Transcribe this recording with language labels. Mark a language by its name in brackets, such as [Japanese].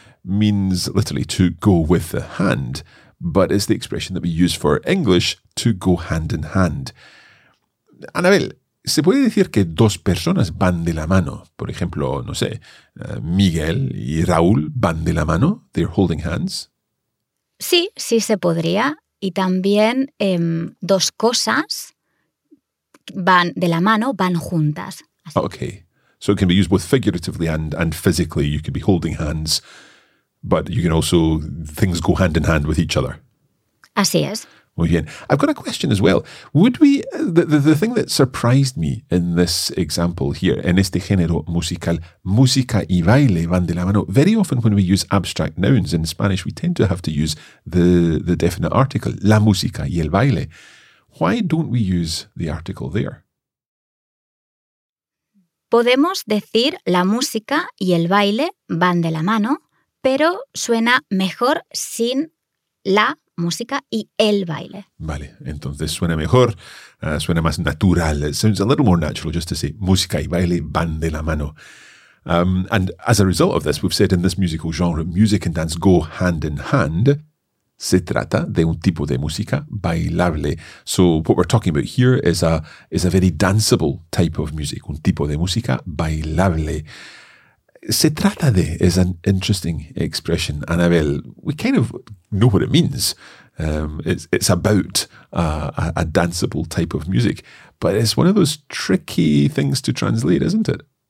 [English] means literally to go with the hand, but it's the expression that we use for English to go hand in hand. [Spanish] Anabel, ¿se puede decir que dos personas van de la mano? Por ejemplo, no sé, Miguel y Raúl van de la mano, [English] they're holding hands. [Spanish] Sí, sí se podría. Y también dos cosas van de la mano, van juntas. Así. [English] Okay, so it can be used both figuratively and physically. You could be holding hands, but you can also, things go hand in hand with each other. [Spanish] Así es. Muy bien. [English] I've got a question as well. Would we, the thing that surprised me in this example here, [Spanish] en este género musical, música y baile van de la mano, [English] very often when we use abstract nouns in Spanish, we tend to have to use the definite article, [Spanish] la música y el baile. [English] Why don't we use the article there? [Spanish] Podemos decir la música y el baile van de la mano, pero suena mejor sin la música y el baile. Vale, entonces suena mejor, suena más natural. [English] It sounds a little more natural just to say [Spanish] música y baile van de la mano. [English] And as a result of this, we've said in this musical genre, music and dance go hand in hand. [Spanish] Se trata de un tipo de música bailable. [English] So what we're talking about here is a very danceable type of music, [Spanish] un tipo de música bailable. Se trata de [English] is an interesting expression, Anabel. We kind of know what it means. It's about a danceable type of music, but it's one of those tricky things to translate, isn't it?